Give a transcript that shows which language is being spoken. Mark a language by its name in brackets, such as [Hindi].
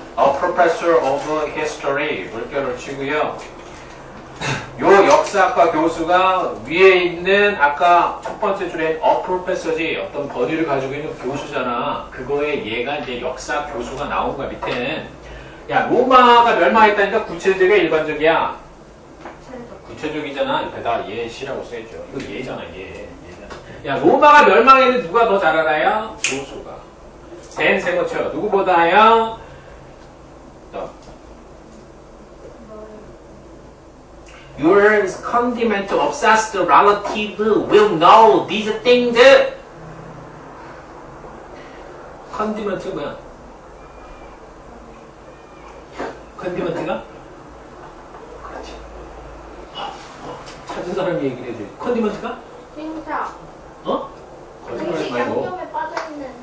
[English] A professor of history [Korean] 물결을 치고요. 요 역사학과 교수가 위에 있는 아까 첫 번째 줄에 A professor지 어떤 권위를 가지고 있는 교수잖아. 그거에 얘가 이제 역사 교수가 나온 거야 밑에는. 야 로마가 멸망했다니까 구체적이야 일반적이야? 구체적이잖아. 옆에다 예시라고 써있죠. 이거 예잖아. 예. 야 로마가 멸망했는데 누가 더 잘 알아요? 교수가. 댄 세모처 누구보다요? 너. [English] Your condiment obsessed relative will know these things. [Korean] Condiment 뭐야? Condiment가? 찾은 사람이 얘기를 해줘. 컨디먼트가? 진짜. 어? 거짓말 말고. 양념에 빠져있는.